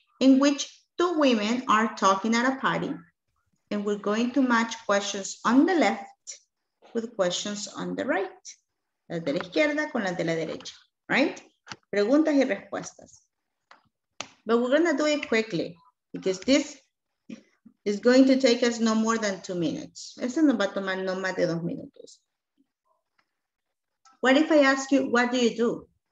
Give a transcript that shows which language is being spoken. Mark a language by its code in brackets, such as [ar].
[en] In which two women are talking at a party. And we're going to match questions on the left with questions on the right. [es] Las de la izquierda con las de la derecha. [en] Right? [es] Preguntas y respuestas. [en] But we're going to do it quickly because this is going to take us no more than 2 minutes. [es] Eso nos va a tomar no más de 2 minutos. [en] What if I ask you, what do you do?